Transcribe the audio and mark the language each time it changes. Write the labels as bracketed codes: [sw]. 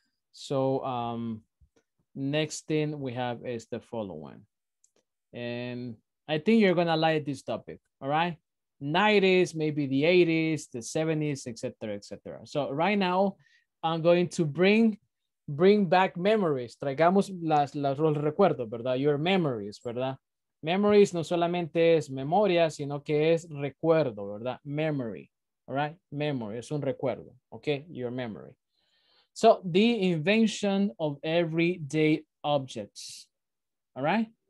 [en] So next thing we have is the following. And I think you're going to like this topic. All right. 90s, maybe the 80s, the 70s, et cetera, et cetera. So right now I'm going to bring back memories. [es] Traigamos los recuerdos, ¿verdad? [en] Your memories, [es] ¿verdad? Memories no solamente es memoria, sino que es recuerdo, ¿verdad? [en] Memory. All right, memory, [es] es un recuerdo, [en] okay, your memory. So, the invention of everyday objects, all right?